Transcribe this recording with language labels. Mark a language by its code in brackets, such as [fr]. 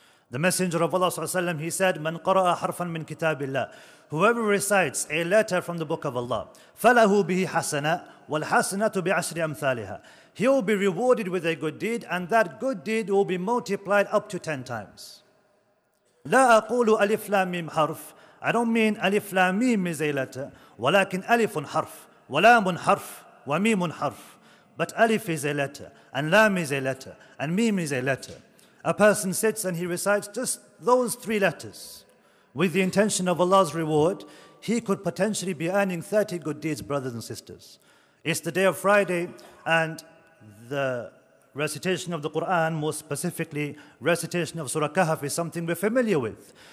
[en] The Messenger of Allah sallallahu alayhi wa sallam, he said, [ar] مَنْ قَرَأَ حَرْفًا مِنْ كِتَابِ اللَّهِ, [en] whoever recites a letter from the book of Allah, [ar] فَلَهُ بِهِ حَسَنَةً وَالْحَسَنَةُ بِعَشْرِ أَمْثَالِهَا, [en] he will be rewarded with a good deed, and that good deed will be multiplied up to 10 times. [ar] لَا أَقُولُ أَلِفْ لَا مِمْ حَرْفْ, [en] I don't mean [ar] أَلِفْ لَا مِمْ [en] is a letter, [ar] وَلَكِنْ أَلِفٌ حَرْفْ وَلَامٌ حَرْفْ وَمِيمٌ حَرْفْ, [en] but أَلِفْ is a letter, and لَام is a letter, and مِمْ is a letter. A person sits and he recites just those three letters with the intention of Allah's reward, he could potentially be earning 30 good deeds, brothers and sisters. It's the day of Friday, and the recitation of the Quran, more specifically recitation of Surah Kahf, is something we're familiar with.